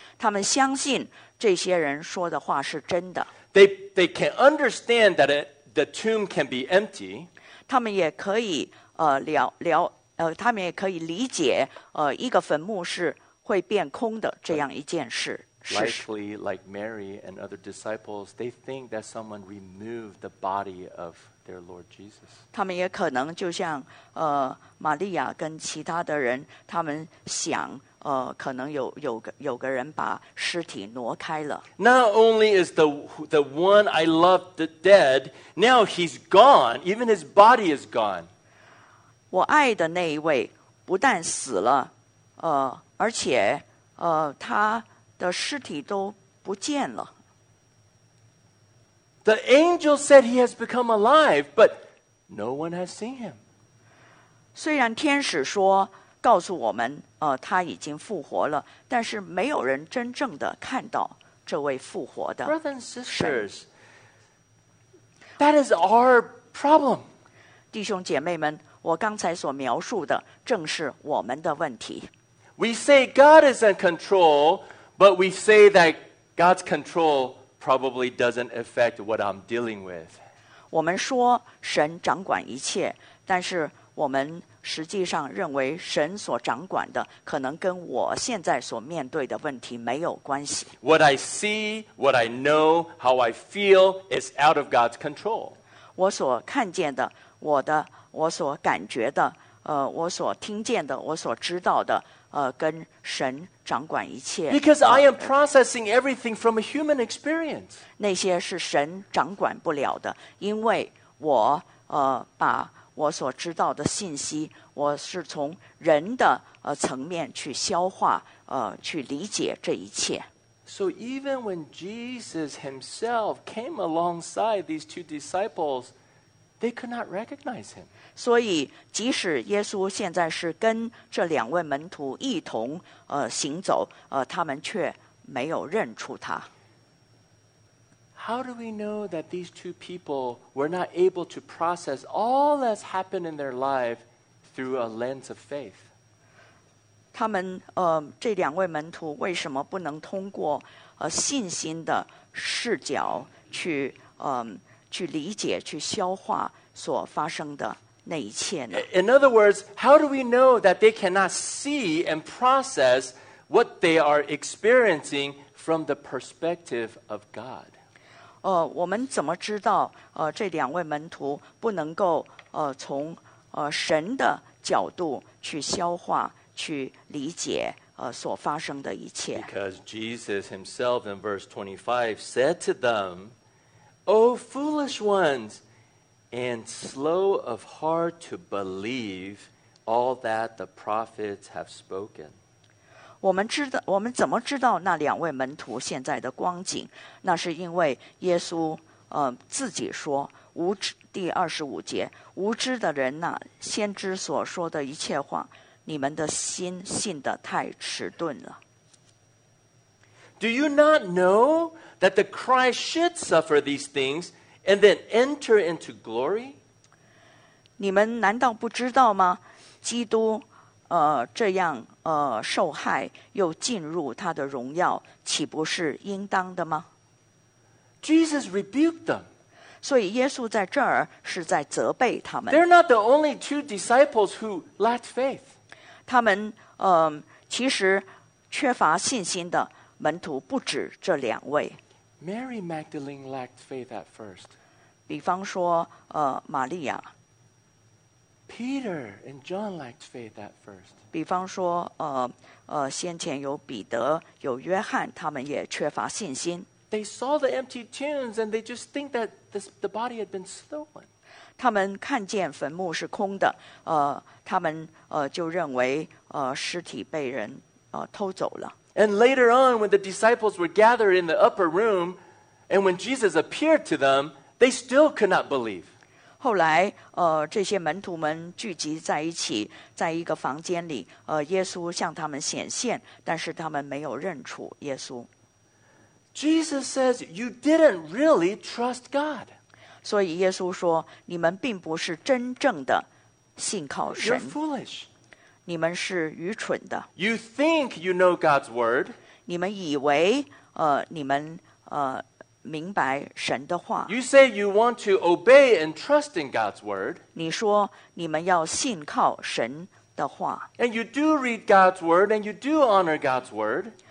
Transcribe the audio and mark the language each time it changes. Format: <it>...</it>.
<zh>他们相信这些人说的话是真的。</zh> <en>They can understand that the tomb can be empty.</en> <zh>他们也可以了他们也可以理解一个坟墓是会变空的这样一件事。</zh> <en>Likely, like Mary and other disciples, they think that someone removed the body of their Lord Jesus.</en> <zh>他们也可能就像玛利亚跟其他的人，他们想可能有个人把尸体挪开了。</zh> <en>Not only is the one I loved the dead, now he's gone. Even his body is gone.</en> <zh>我爱的那一位不但死了，而且他的尸体都不见了。</zh> <en>The angel said he has become alive, but no one has seen him.</en> <zh>虽然天使说告诉我们他已经复活了，但是没有人真正的看到这位复活的神。</zh> <en>Brothers and sisters, that is our problem.</en> <zh>弟兄姐妹们，我刚才所描述的正是我们的问题。</zh> <en>We say God is in control,But we say that God's control probably doesn't affect what I'm dealing with.</en> <zh>我们说神掌管一切，但是我们实际上认为神所掌管的可能跟我现在所面对的问题没有关系。</zh> <en>What I see, what I know, how I feel is out of God's control.</en> <zh>我所看见的，我所感觉的，我所听见的，我所知道的，跟神掌管一切。</zh> <en>Because I am processing everything from a human experience.</en> <zh>那些是神掌管不了的，因为我把我所知道的信息，我是从人的层面去消化，去理解这一切。</zh> <en>So even when Jesus himself came alongside these two disciples,They could not recognize him.</en> <zh>所以即使耶稣现在是跟这两位门徒一同行走他们却没有认出他。</zh> <en>How do we know that these two people were not able to process all that's happened in their life through a lens of faith?</en> <zh>他们这两位门徒为什么不能通过信心的视角去去理解去消化所发生的那一切呢？</zh> <en>In other words, how do we know that they cannot see and process what they are experiencing from the perspective of God?</en> <zh>我们怎么知道这两位门徒不能够从神的角度去消化去理解所发生的一切？</zh> <en>Because Jesus himself in verse 25 said to them,O foolish ones, and slow of heart to believe all that the prophets have spoken.</en> <zh>我们怎么知道那两位门徒现在的光景？那是因为耶稣自己说，无知第二十五节，无知的人呐，先知所说的一切话，你们的心信得太迟钝了。</zh> <en>Do you not know that the Christ should suffer these things and then enter into glory?</en> <zh>你们难道不知道吗？基督这样受害又进入他的荣耀，岂不是应当的吗？</zh> <en>Jesus rebuked them.</en> <zh>所以耶稣在这儿是在责备他们。</zh> <en>They're not the only two disciples who lacked faith.</en> <zh>他们其实缺乏信心的门徒不止这两位。</zh> <en>Mary Magdalene lacked faith at first.</en> <zh>比方说玛利亚。</zh> <en>Peter and John lacked faith at first.</en> <zh>比方说先前有彼得有约翰，他们也缺乏信心。</zh> <en>They saw the empty tombs and they just think that the body had been stolen.</en> <zh>他们看见坟墓是空的，他们就认为尸体被人偷走了。</zh> <en>And later on, when the disciples were gathered in the upper room, and when Jesus appeared to them, they still could not believe.</en> <zh>后来，这些门徒们聚集在一起，在一个房间里，耶稣向他们显现，但是他们没有认出耶稣。</zh> <en>Jesus says, "You didn't really trust God."</en> <zh>所以耶稣说，你们并不是真正的信靠神。</zh> <en>You're foolish.</en> <zh>你们是愚蠢的。</zh> <en>You think you know God's word.</en> <zh>你们以为你们明白神的话。</zh> <en>You say you want to obey and trust in God's word.</en> <zh>你说你们要信靠神的话。</zh> <en>And you do read God's word, and you do honor God's word.</en>